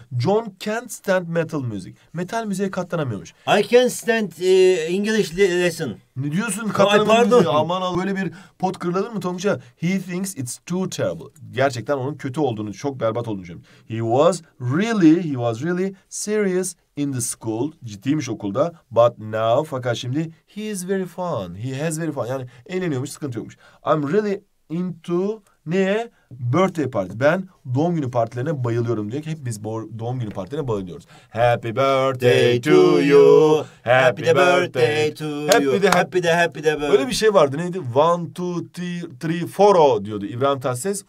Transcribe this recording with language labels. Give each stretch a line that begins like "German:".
English: John can't stand metal music.
Turkish: Metal müziğe katlanamıyormuş.
English: I can't stand English lesson.
Turkish: Ne diyorsun? Katlanamıyormuş. Aman Allah. Böyle bir pot kırılır mı Tonguç'a?
English: He thinks it's too terrible.
Turkish: Gerçekten onun kötü olduğunu, çok berbat olduğunu düşünüyorum.
English: He was really serious in the school.
Turkish: Ciddiymiş okulda.
English: But now,
Turkish: fakat şimdi
English: he is very fun. He has very fun.
Turkish: Yani eğleniyormuş, sıkıntı yokmuş.
English: I'm really into...
Turkish: Neye?
English: Birthday party.
Turkish: Ben doğum günü partilerine bayılıyorum diyor ki hepimiz doğum günü partilerine bayılıyoruz.
English: Happy birthday to you. Happy birthday to you. Happy de birthday.
Turkish: Öyle bir şey vardı, neydi? 1, 2, 3, 4 diyordu İbrahim Tatlıses.